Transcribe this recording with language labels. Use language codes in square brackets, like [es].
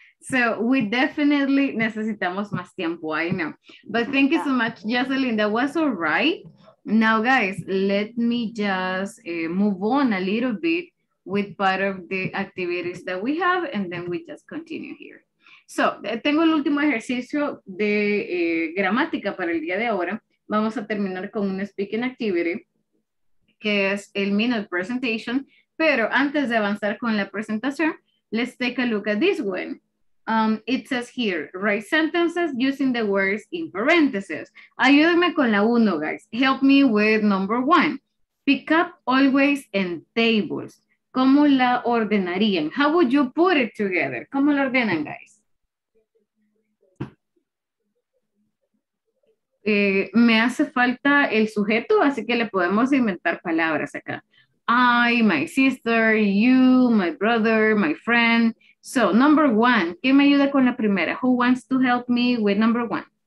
[en] So we definitely [es] necesitamos más tiempo. [en] I know. But thank you so much, Jocelyn. That was all right. Now, guys, let me just move on a little bit with part of the activities that we have, and then we just continue here. [es] So tengo el último ejercicio de gramática para el día de ahora. Vamos a terminar con un speaking activity, que es el minute presentation. Pero antes de avanzar con la presentación, [en] let's take a look at this one. It says here, write sentences using the words in parentheses. [es] Ayúdenme con la uno, [en] guys. Help me with number one. Pick up always and tables. [es] ¿Cómo la ordenarían? [en] How would you put it together? [es] ¿Cómo la ordenan, [en] guys? [es] Me hace falta el sujeto, así que le podemos inventar palabras acá. [en] I, my sister, you, my brother, my friend. So, number one, [es] ¿quién me ayuda con la primera? [en] Who wants to help me with number one?